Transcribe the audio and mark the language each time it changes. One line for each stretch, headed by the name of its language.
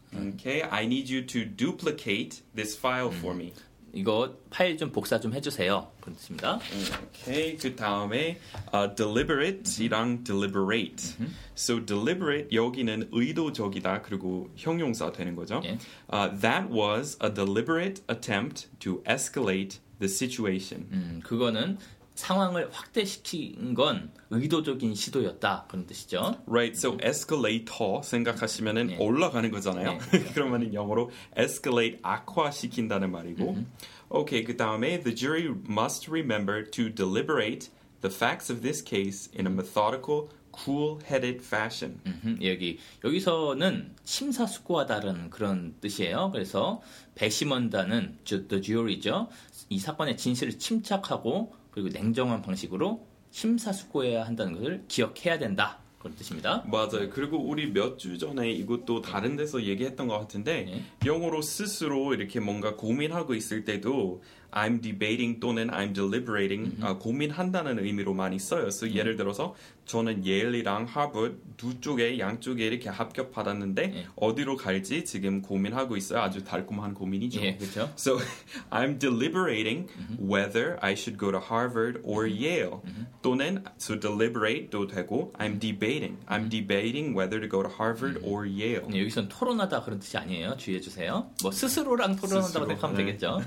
English: Okay, I need you to duplicate this file for me.
Korean: 이거 파일 좀 복사 좀 해주세요. 그렇습니다. Okay, 그 다음에 deliberate이랑 deliberate. So deliberate 여기는 의도적이다 그리고 형용사 되는 거죠.
English: That was a deliberate attempt to escalate the situation.
Korean: 그거는 상황을 확대시킨 건 의도적인 시도였다 그런 뜻이죠. Right, so escalator 생각하시면은 네. 올라가는 거잖아요. 네. 그러면은 영어로 escalate 악화시킨다는 말이고.
English: Okay,
Korean: 그 다음에
English: the jury must remember to deliberate the facts of this case in a methodical, cool-headed fashion.
Korean: 여기서는 심사숙고하다라는 그런 뜻이에요. 그래서 배심원단은 the jury죠. 이 사건의 진실을 침착하고 그리고 냉정한 방식으로 심사숙고해야 한다는 것을 기억해야 된다. 그런 뜻입니다. 맞아요. 그리고 우리 몇 주 전에 이것도 다른 데서 얘기했던 것 같은데 네. 영어로 스스로 이렇게 뭔가 고민하고 있을 때도
English: I'm debating
Korean: 또는
English: I'm deliberating,
Korean: 고민한다는 의미로 많이 써요. 그래서 예를 들어서 저는 예일이랑 하버드 두 쪽에 양쪽에 이렇게 합격받았는데 어디로 갈지 지금 고민하고 있어요. 아주 달콤한 고민이죠. 예, 그렇죠.
English: So I'm deliberating whether I should go to Harvard or Yale.
Korean: 또는 to deliberate도 되고
English: I'm debating. I'm debating whether to go to Harvard or Yale.
Korean: 네, 여기선 토론하다 그런 뜻이 아니에요. 주의해 주세요. 뭐 스스로랑 토론한다고 생각하면 되겠죠.